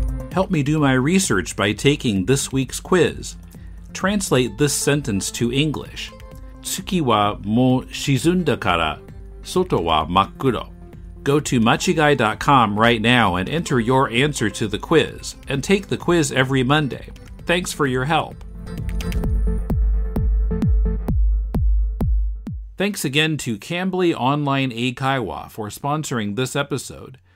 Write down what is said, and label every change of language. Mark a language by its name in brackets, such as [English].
[English] Help me do my research by taking this week's quiz. Translate this sentence to English. [Japanese] 月はもう沈んだから外は真っ黒。 [English] Go to machigai.com right now and enter your answer to the quiz, and take the quiz every Monday. Thanks for your help. Thanks again to Cambly Online Eikaiwa for sponsoring this episode.